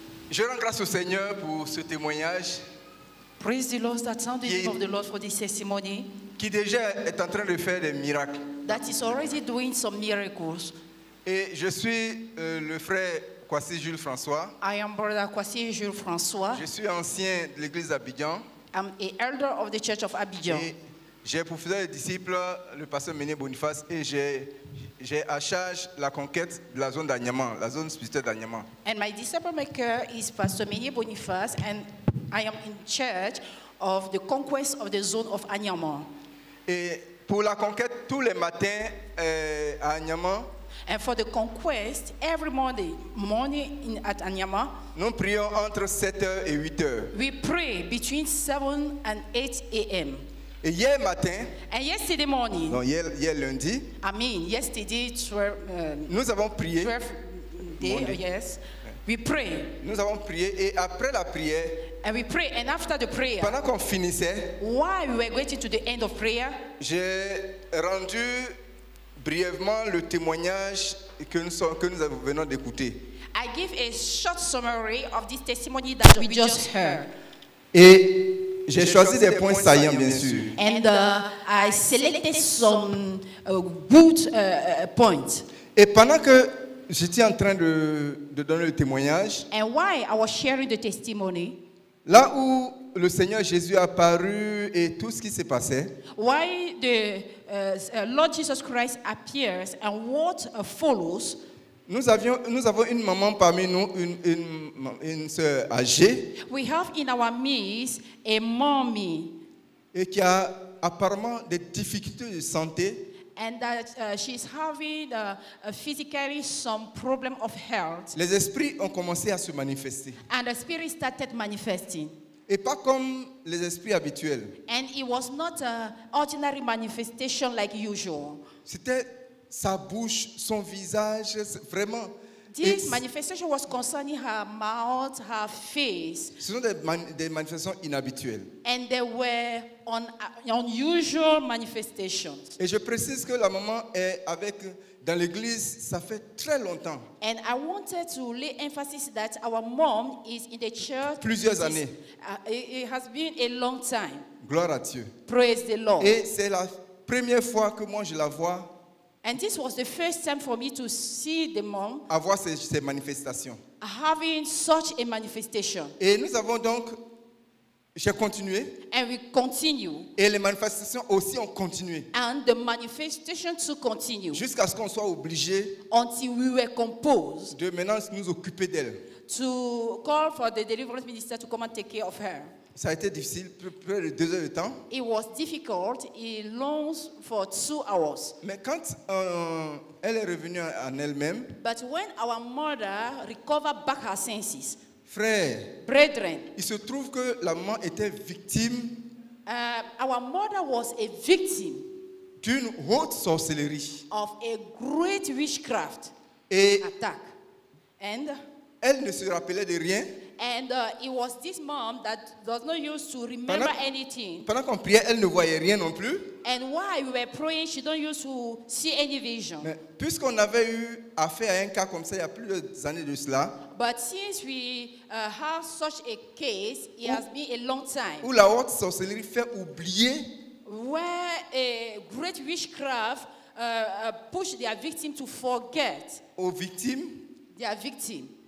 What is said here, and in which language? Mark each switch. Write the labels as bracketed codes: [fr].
[fr] Je rends grâce au Seigneur pour ce témoignage. [en] Praise the Lord, that sound the name of the Lord for this testimony. [fr] Qui déjà est en train de faire des miracles. [en] That is already doing some miracles. [fr] Et je suis le frère Kwasi Jules François. [en] I am brother Kwasi Jules François. [fr] Je suis ancien de l'église d'Abidjan. [en] I'm an elder of the church of Abidjan. [fr] Et j'ai pour fidèle disciple le pasteur Méné Boniface et j'ai à charge la conquête de la zone d'Anyaman, la zone spirituelle d'Anyaman. [en] And my disciple maker is Pastor Méné Boniface and I am in charge of the conquest of the zone of Anyaman. [fr] Et pour la conquête tous les matins à Anyaman. [en] And for the conquest every morning at Anyaman. [fr] Nous prions entre 7h et 8h. [en] We pray between 7 and 8 a.m. [fr] Et hier matin. [en] And yesterday morning. [fr] Non, hier lundi. [en] I mean yesterday 12. [fr] Nous avons prié. [en] 12 day, yes. We pray. [fr] Nous avons prié et après la prière. [en] And we pray, and after the prayer. [fr] Pendant qu'on finissait. [en] While we were waiting to the end of prayer. [fr] J'ai rendu brièvement le témoignage que nous venons d'écouter. [en] I give a short summary of this testimony that we just heard. [fr] Et j'ai choisi des points saillants, bien sûr. [en] And I selected some good points. [fr] Et pendant que j'étais en train de donner le témoignage. [en] And while I was sharing the testimony. [fr] Là où le Seigneur Jésus a paru et tout ce qui s'est passé. [en] Why the Lord Jesus Christ appears and what follows? [fr] Nous avons une maman parmi nous, une sœur âgée. [en] We have in our midst a mommy. [fr] Et qui a apparemment des difficultés de santé. [en] And that she's having physically some problem of health. [fr] Les esprits ont commencé à se manifester. [en] And the spirit started manifesting. [fr] Et pas comme les esprits habituels. [en] And it was not an ordinary manifestation like usual. [fr] C'était sa bouche, son visage, vraiment. [en] This manifestation was concerning her mouth, her face. [fr] Ce sont des manifestations inhabituelles. [en] And they were unusual manifestations. [fr] Et je précise que la maman est avec dans l'église, ça fait très longtemps. [en] And I wanted to lay emphasis that our mom is in the church. [fr] Plusieurs années. [en] It has been a long time. [fr] Gloire à Dieu. [en] Praise the Lord. [fr] Et c'est la première fois que moi je la vois. [en] And this was the first time for me to see the mom. [fr] Avoir ces manifestations. [en] Having such a manifestation. [fr] Et nous avons donc, j'ai continué. [en] And we continue. [fr] Et les manifestations aussi ont continué. [en] And the manifestation to continue. [fr] Jusqu'à ce qu'on soit obligé. [en] Until we were composed. [fr] De maintenant nous occuper d'elle. [en] To call for the deliverance minister to come and take care of her. [fr] Ça a été difficile, près de 2 heures de temps. [en] It was difficult. It lasted for 2 hours. [fr] Mais quand elle est revenue en elle-même. [en] But when our mother recovered back her senses. [fr] Frère. [en] Brethren. [fr] Il se trouve que la maman était victime. [en] Our mother was a victim. [fr] D'une haute sorcellerie. [en] Of a great witchcraft. [fr] Et [en] attack. And. [fr] Elle ne se rappelait de rien. [en] And it was this mom that does not use to remember anything. [fr] Pendant qu'on priait, elle ne voyait rien non plus. [en] And while we were praying, she don't use to see any vision. [fr] Mais puisqu'on avait eu affaire à un cas comme ça il y a plus de années de cela. [en] But since we have such a case, it has been a long time. [fr] Où la haute sorcellerie fait oublier. [en] Where a great witchcraft push their victim to forget. [fr] Aux victimes. [en] Their victim.